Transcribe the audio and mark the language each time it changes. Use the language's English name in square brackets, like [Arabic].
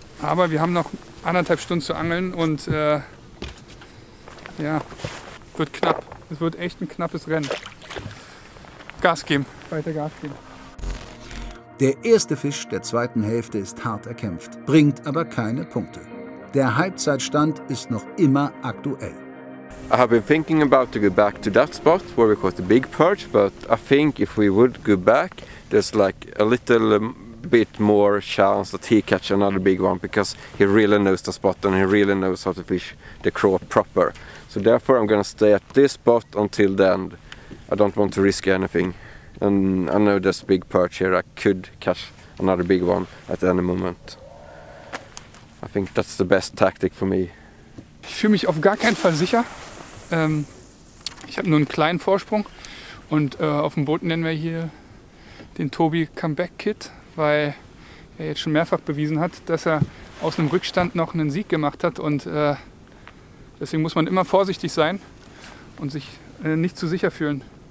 [German] Aber wir haben noch 1,5 Stunden zu angeln und ja, wird knapp. Es wird echt ein knappes Rennen. Gas geben, weiter Gas geben. Der erste Fisch der zweiten Hälfte ist hart erkämpft, bringt aber keine Punkte. Der Halbzeitstand ist noch immer aktuell. [English] I have been thinking about to go back to that spot where we caught the big perch, but I think if we would go back, there's like a little bit more chance that he catch another big one because he really knows the spot and he really knows how to fish the craw proper. So therefore I'm gonna stay at this spot until the end. I don't want to risk anything. And I know there's big perch here, I could catch another big one at any moment. I think that's the best tactic for me. [German] Ich fühle mich auf gar keinen Fall sicher. Ich habe nur einen kleinen Vorsprung und auf dem Boot nennen wir hier den Tobi Comeback Kid, weil er jetzt schon mehrfach bewiesen hat, dass er aus einem Rückstand noch einen Sieg gemacht hat und deswegen muss man immer vorsichtig sein und sich nicht zu sicher fühlen.